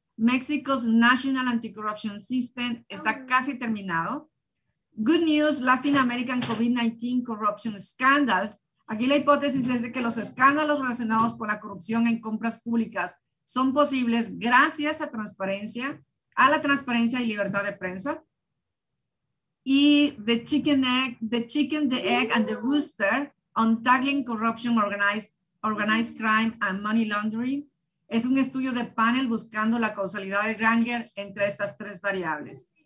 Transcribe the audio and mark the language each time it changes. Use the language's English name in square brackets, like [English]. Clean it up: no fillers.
[English] Mexico's National Anti-Corruption System [Spanish] está casi terminado. [English] Good News, Latin American COVID-19 Corruption Scandals. [Spanish] Aquí la hipótesis es de que los escándalos relacionados con la corrupción en compras públicas son posibles gracias a transparencia, a la transparencia y libertad de prensa. Y [English] The Chicken, the Egg and the Rooster, Untangling Corruption, Organized Crime and Money Laundering. [Spanish] Es un estudio de panel buscando la causalidad de Granger entre estas tres variables.